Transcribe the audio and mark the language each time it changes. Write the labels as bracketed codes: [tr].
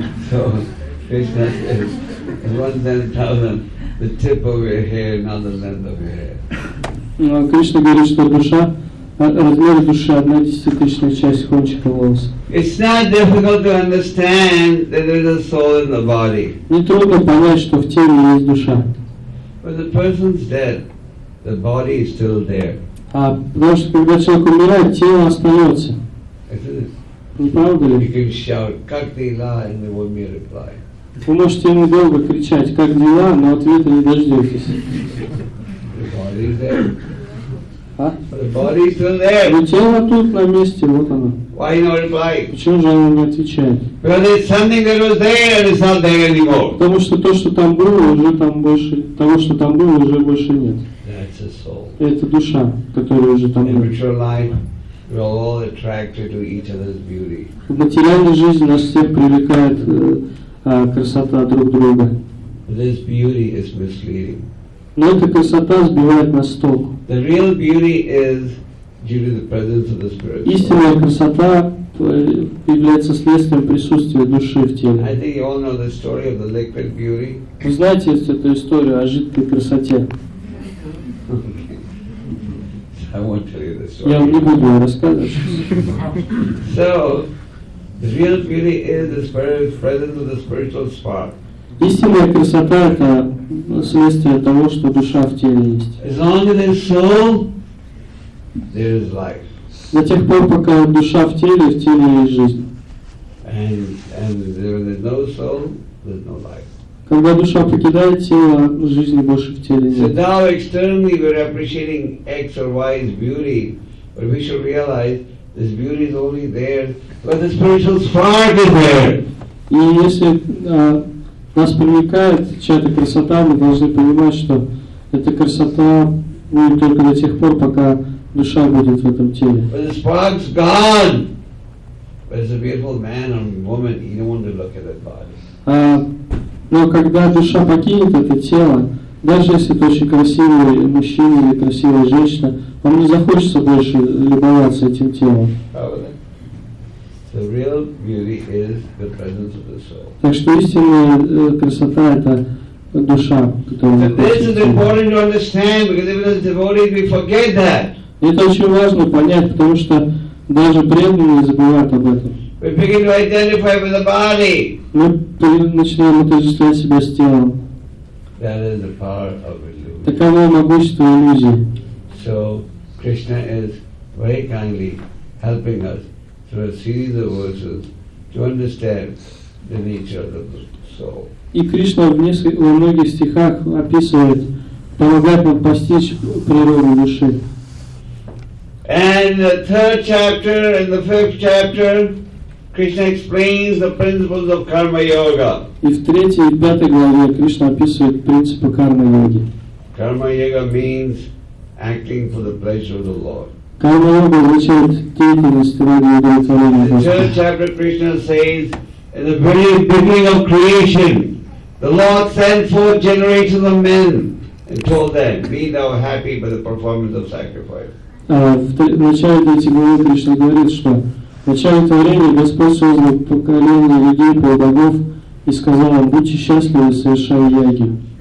[en] So Krishna says, 1/10,000, the tip of your hair, not the length of your hair. [ru] Но Кришна говорит, что душа, размер души – одна десятитысячная часть кончика волоса. [en] It's not difficult to understand that there's a soul in the body. [ru] Нетрудно понять, что в теле есть душа. [en] When the person's dead, the body is still there. [ru] А потому что когда человек умирает, тело остается. Не правда ли? [en] You can shout, [ru] как дела, [en] and there won't be a reply. [ru] Вы можете недолго кричать, как дела, но ответа не дождетесь. [en] The body is there. Huh? The body is still there. [ru] Но тело тут на месте, вот оно. [en] Why no reply? [ru] Почему же оно не отвечает? [en] Because it's something that was there and it's not there anymore. [ru] Потому что то, что там было, уже там больше, того, что там было, уже больше нет. [en] That's a soul. [ru] Это душа, которая уже там. [en] In mature life, we're all attracted to each other's beauty. [ru] В материальной жизни нас всех привлекает красота друг друга. [en] This beauty is misleading. [ru] Но эта красота сбивает нас с толку. [en] The real beauty is due to the presence of the spirit. [ru] Истинная красота является следствием присутствия души в теле. [en] I think you all know the story of the liquid beauty. [ru] Вы знаете эту историю о жидкой красоте? [en] I won't tell you the story. [ru] Я вам не буду рассказывать. [en] So, the real beauty is the presence of the spiritual spark. [ru] Истинная красота – это следствие того, что душа в теле есть. [en] As long as there's soul, there is life. [ru] До тех пор, пока душа в теле есть жизнь. [en] And there is no soul, there's no life. [ru] Когда душа покидает тело, жизни больше в теле нет. [en] So now externally we're appreciating X or Y's beauty, but we should realize this beauty is only there when the spiritual spark is there. [ru] И если нас привлекает чья-то красота, мы должны понимать, что эта красота будет только до тех пор, пока душа будет в этом теле. [en] But the spark's gone. As a beautiful man or woman, you don't want to look at that body. [ru] Но когда душа покинет это тело, даже если это очень красивый мужчина или красивая женщина, вам не захочется больше любоваться этим телом. [en] The real beauty is the presence of the soul. [ru] Так что истинная красота – это душа, которая находится. [en] This is important to understand, because even as devotees, we forget that. [ru] Это очень важно понять, потому что даже преданные забывают об этом. [en] We begin to identify with the body. [ru] Мы начинаем отождествлять себя с телом. [en] That is the power of illusion. [ru] Таково могущество иллюзии. [en] So Krishna is very kindly helping us through a series of verses to understand the nature of the soul. [ru] И Кришна в многих стихах описывает, помогает нам постичь природу души. [en] And the third chapter and the fifth chapter, Krishna explains the principles of karma yoga. [ru] И в третьей и пятой главе Кришна описывает принципы карма йоги. [en] Karma yoga means acting for the pleasure of the Lord. [ru] Карма йога означает деятельность ради удовлетворения Господа. [en] The chapter Krishna says, in the very beginning of creation, the Lord sent forth generations of men and told them, be thou happy by the performance of sacrifice. [ru] В начале третьей главы Кришна говорит, что в начале творения Господь создал поколение людей по богов и сказал им, будьте счастливы, совершая яги.